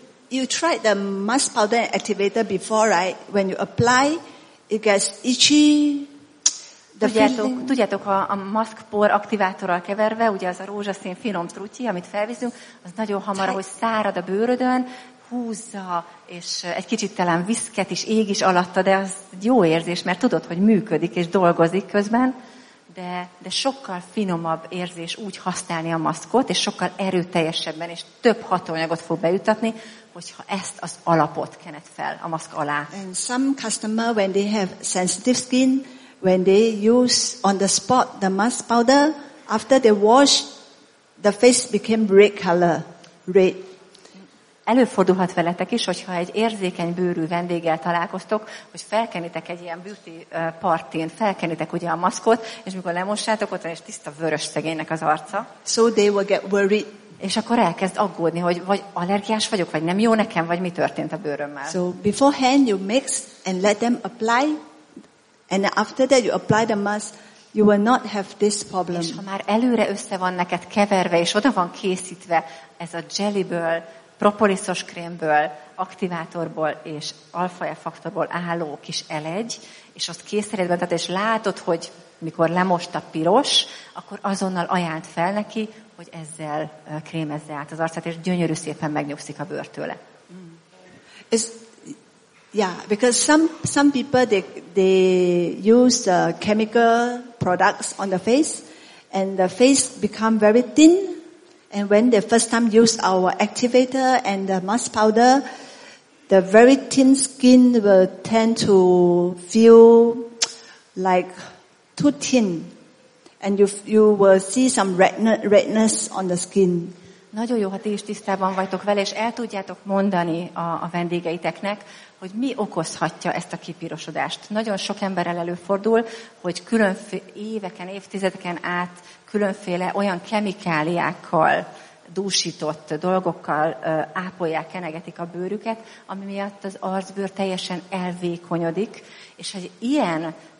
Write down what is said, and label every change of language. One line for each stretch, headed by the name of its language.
English: You tried the mask powder activator before, right? When you apply, it gets itchy.
Hungarian: Tudjátok, a maszkpor aktivátorral keverve, ugye az a rózsaszín finom trutyi, amit felvizünk, az nagyon hamar, hogy szárad a bőrödön, húzza, és egy kicsit talán viszket is, ég is alatta, de az jó érzés, mert tudod, hogy működik és dolgozik közben, de sokkal finomabb érzés úgy használni a maszkot, és sokkal erőteljesebben, és több hatóanyagot fog bejutatni, hogyha ezt az alapot kened fel a maszk alá.
English: And some customer, when they have sensitive skin, when they use on the spot the mask powder, after they wash, the face became red color, red.
Hungarian: Előfordulhat veletek is, hogyha egy érzékeny bőrű vendéggel találkoztok, hogy felkenitek egy ilyen beauty partin, felkenitek ugye a maszkot, és mikor lemossátok, ott van egy tiszta vörös szegénynek az arca.
English: So they will get worried.
Hungarian: És akkor elkezd aggódni, hogy vagy allergiás vagyok, vagy nem jó nekem, vagy mi történt a bőrömmel.
English: So beforehand you mix and let them apply, and after that you apply the mask, You will not have this problem.
Hungarian: És ha már előre össze van neked keverve, és oda van készítve ez a jellyből, propoliszos krémből, aktivátorból és alfa-faktorból álló kis elegy, és azt készíted benne, és látod, hogy mikor lemost a piros, akkor azonnal ajánlt fel neki, hogy ezzel krémezze át az arcát, és gyönyörű szépen megnyugszik a bőr tőle.
English: És yeah, because some people they use chemical products on the face, and the face become very thin. And when they first time use our activator and the mask powder, the very thin skin will tend to feel like too thin, and you will see some redness on the skin.
Hungarian: Nagyon jó, ha ti is tisztában vagytok vele, és el tudjátok mondani a vendégeiteknek, hogy mi okozhatja ezt a kipirosodást. Nagyon sok emberrel előfordul, hogy éveken, évtizedeken át különféle olyan kemikáliákkal dúsított dolgokkal ápolják, kenegetik a bőrüket, ami miatt az arcbőr teljesen elvékonyodik, és egy ilyen